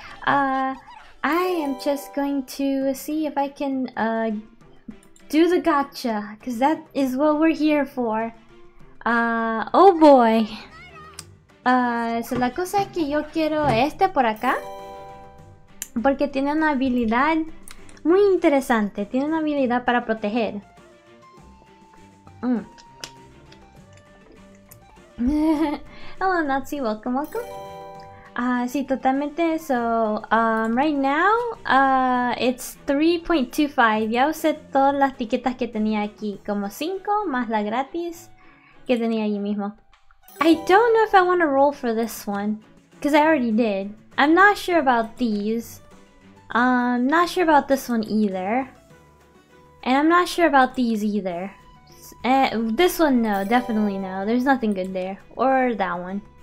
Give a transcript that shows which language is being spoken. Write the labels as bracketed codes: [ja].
[en] I am just going to see if I can do the gacha, because that is what we're here for. Oh boy. [es] So la cosa es que yo quiero este por acá, porque tiene una habilidad muy interesante. Tiene una habilidad para proteger. [en] Hello Natsi, welcome. Sí, totalmente. So, right now, it's 3.25. [es] Ya usé todas las etiquetas que tenía aquí, como 5 más la gratis que tenía allí mismo. [en] I don't know if I want to roll for this one, because I already did. I'm not sure about these. I'm not sure about this one either. And I'm not sure about these either. This one, no, definitely no. There's nothing good there. Or that one.